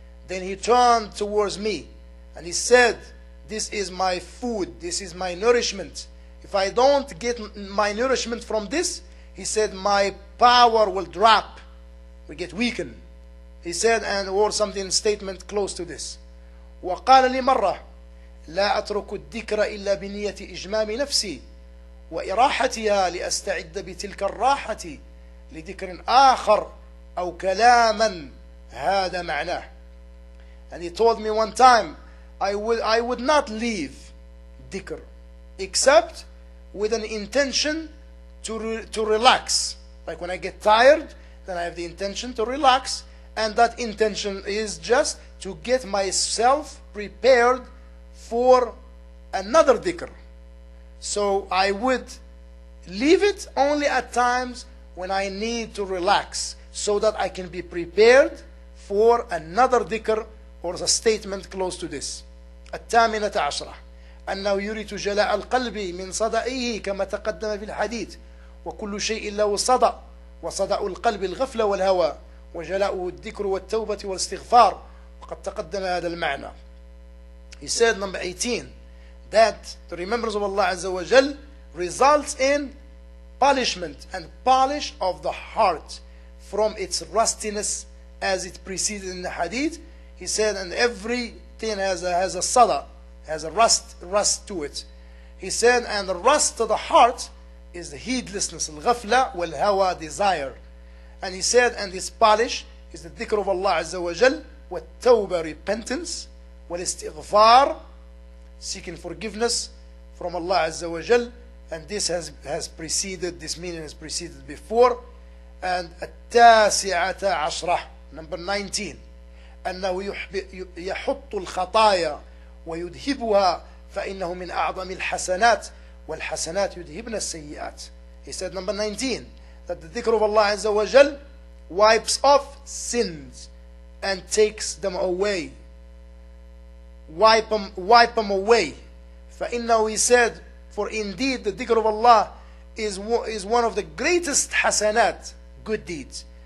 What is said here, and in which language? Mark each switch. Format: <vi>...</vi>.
<en>Then he turned towards me and he said, this is my food, this is my nourishment. If I don't get my nourishment from this, he said, my power will drop, will get weakened. He said, and or something statement close to this.</en> <ar>وقال لي مرة, لا أترك الذكر إلا بنية إجمام نفسي وإراحتها لأستعد بتلك الراحة لذكر آخر أو كلاما هذا معناه.</ar> <en>And he told me one time, I would not leave dhikr except with an intention to relax. Like when I get tired, then I have the intention to relax, and that intention is just to get myself prepared for another dhikr. So I would leave it only at times when I need to relax so that I can be prepared for another dhikr or a statement close to this.</en> <ar>الثامنة عشرة أنه يريد جلاء القلب من صدئه كما تقدم في الحديث وكل شيء له صدأ وصدأ القلب الغفلة والهوى وجلاؤه الذكر والتوبة والاستغفار وقد تقدم هذا المعنى.</ar> <en>He said number 18, that the remembrance of Allah Azza wa Jal results in polishment and polish of the heart from its rustiness as it preceded in the hadith. He said, and everything has a sada, has a rust to it. He said, and the rust to the heart is the heedlessness, al-ghafla, wal-hawa, desire. And he said, and this polish is the dhikr of Allah Azza wa Jal, wal-tawbah, repentance, wal-istighfar, seeking forgiveness from Allah Azza wa Jal. And this has preceded, this meaning has preceded before. And at-tasi'ata ashrah, number 19.</en> <ar>أنه يحط الخطايا ويذهبها فإنه من أعظم الحسنات والحسنات يذهبن السيئات.</ar> <en>He said number 19, that the dhikr of Allah Azza wa Jal wipes off sins and takes them away. Wipe them away. فإنه, he said, for indeed the dhikr of Allah is one of the greatest حسنات, good deeds.</en>